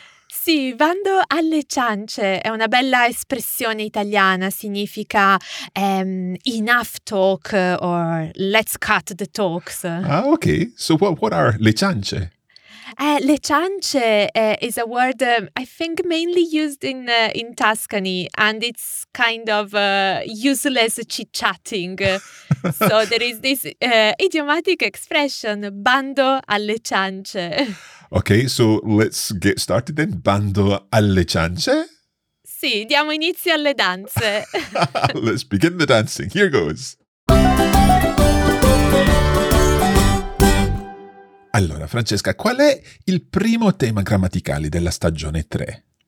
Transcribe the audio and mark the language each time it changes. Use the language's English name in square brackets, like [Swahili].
[Italian] Sì, bando alle ciance è una bella espressione italiana, significa [English] enough talk or let's cut the talks. Ah, ok. So what are le ciance? Le ciance is a word I think mainly used in Tuscany, and it's kind of useless chit-chatting. So there is this idiomatic expression, [Italian] bando alle ciance. [English] Okay, so let's get started then. [Italian] Bando alle ciance. Sì, diamo inizio alle danze. [English] Let's begin the dancing. Here goes. [Italian] Allora, Francesca, qual è il primo tema grammaticale della stagione 3?